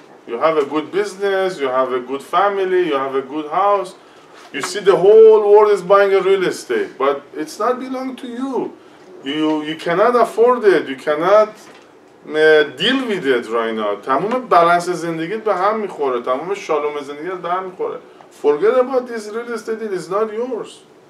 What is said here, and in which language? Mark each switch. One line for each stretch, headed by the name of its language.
English: You have a good business, you have a good family, you have a good house. You see the whole world is buying a real estate, but it's not belong to you. You cannot afford it, you cannot deal with it right now.
Persian: تمام بالانس زندگیت به هم میخوره، تمام شالوم زندگیت به هم میخوره.
English: Forget about this real estate, it is not yours.